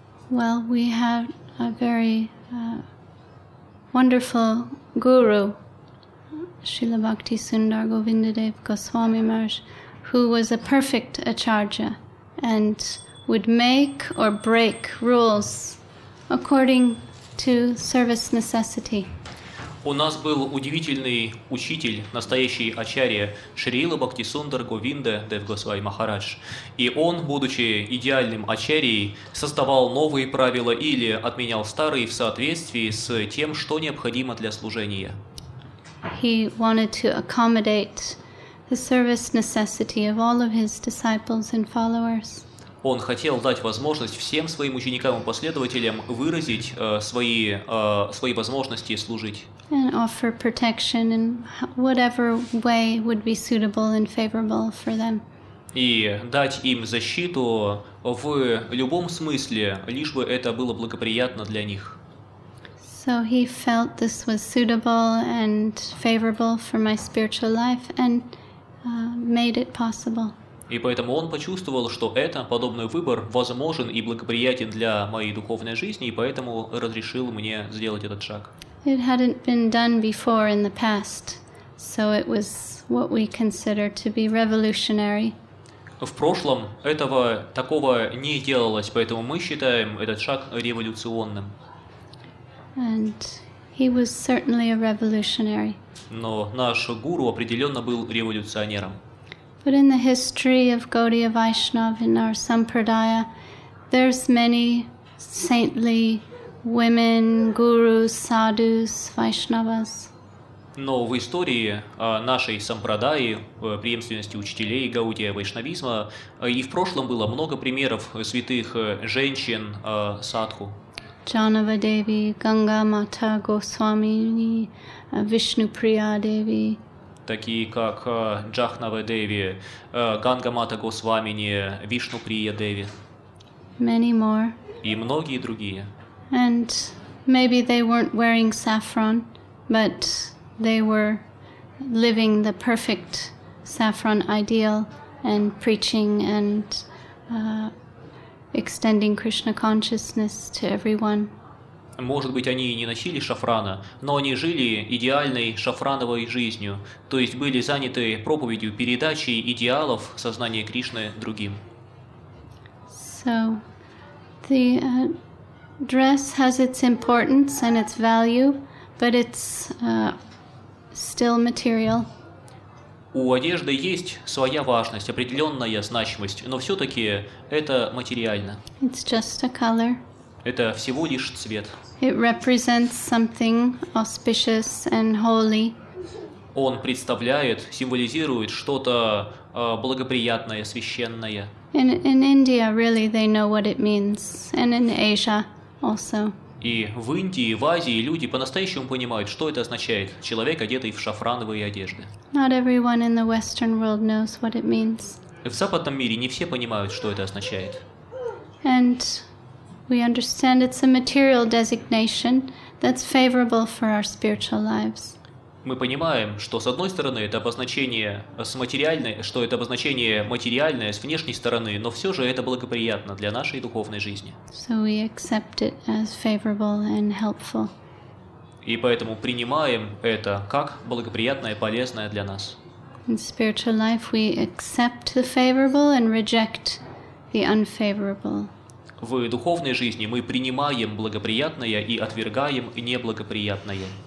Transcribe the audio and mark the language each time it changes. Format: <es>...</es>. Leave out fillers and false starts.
<en>Well, we had a very wonderful guru, Srila Bhakti Sundar Govindadev Goswami Maharaj, who was a perfect acharya and would make or break rules according to service necessity.</en> <ru>У нас был удивительный учитель, настоящий ачарья, Шрила Бхактисундар Говинда Дев Госвами Махарадж. И он, будучи идеальным ачарьей, создавал новые правила или отменял старые в соответствии с тем, что необходимо для служения.</ru> <en>He wanted to accommodate the service necessity of all of his disciples and followers.</en> <ru>Он хотел дать возможность всем своим ученикам и последователям выразить свои возможности служить.</ru> <en>And offer protection in whatever way would be suitable and favorable for them.</en> <ru>И дать им защиту в любом смысле, лишь бы это было благоприятно для них.</ru> <en>So he felt this was suitable and favorable for my spiritual life and made it possible.</en> <ru>И поэтому он почувствовал, что это, подобный выбор, возможен и благоприятен для моей духовной жизни, и поэтому разрешил мне сделать этот шаг.</ru> <en>It hadn't been done before in the past, so it was what we consider to be revolutionary.</en> <ru>В прошлом этого такого не делалось, поэтому мы считаем этот шаг революционным.</ru> <en>And he was certainly a revolutionary.</en> <ru>Но наш гуру определенно был революционером.</ru> <en>But in the history of Gaudiya Vaishnava in our Sampradaya, there's many saintly women, gurus, sadhus, Vaishnavas.</en> <ru>Но в истории нашей Сампрадаи, преемственности учителей Гаудия Вайшнавизма, и в прошлом было много примеров святых женщин садху.</ru> <en>Janava Devi, Ganga Mata Goswamini, Vishnupriya Devi.</en> <ru>Такие как Джахнава Деви, Гангамата Госвамини, Вишнуприя Деви.</ru> <en>Many more.</en> <ru>И многие другие.</ru> <en>And maybe they weren't wearing saffron, but they were living the perfect saffron ideal and preaching and extending Krishna consciousness to everyone.</en> <ru>Может быть, они и не носили шафрана, но они жили идеальной шафрановой жизнью, то есть были заняты проповедью, передачей идеалов сознания Кришны другим.</ru> <en>So, the dress has its importance and its value, but it's still material.</en> <ru>У одежды есть своя важность, определенная значимость, но все-таки это материально.</ru> <en>It's just a color.</en> <ru>Это всего лишь цвет.</ru> <en>It represents something auspicious and holy.</en> <ru>Он представляет, символизирует что-то благоприятное, священное.</ru> <en>In India, really, they know what it means, and in Asia also.</en> <ru>И в Индии, в Азии люди по-настоящему понимают, что это означает. Человек, одетый в шафрановые одежды.</ru> <en>Not everyone in the Western world knows what it means.</en> <ru>В западном мире не все понимают, что это означает.</ru> <en>And we understand it's a material designation that's favorable for our spiritual lives.</en> <ru>Мы понимаем, что с одной стороны это обозначение с материальной, что это обозначение материальное с внешней стороны, но все же это благоприятно для нашей духовной жизни.</ru> <en>So we accept it as favorable and helpful.</en> <ru>И поэтому принимаем это как благоприятное, полезное для нас.</ru> <en>In spiritual life we accept the favorable and reject the unfavorable.</en> <ru>В духовной жизни мы принимаем благоприятное и отвергаем неблагоприятное.</ru>